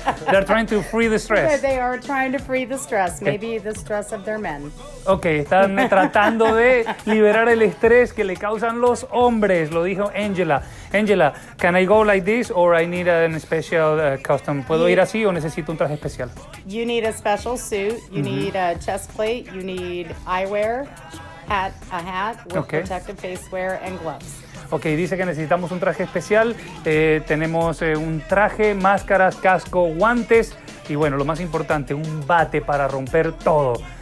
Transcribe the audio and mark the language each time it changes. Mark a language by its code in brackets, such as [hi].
[en] They're trying to free the stress. Yeah, they are trying to free the stress. Okay. Maybe the stress of their men. [es] Okay, están tratando de liberar el estrés que le causan los hombres. Lo dijo Angela. [en] Angela, can I go like this or I need an special custom? [es] ¿Puedo ir así o necesito un traje especial? [en] You need a special suit. You need a chest plate. You need eyewear. A hat with protective face wear and gloves. [es] Okay, dice que necesitamos un traje especial. Tenemos un traje, máscaras, casco, guantes y bueno, lo más importante, un bate para romper todo.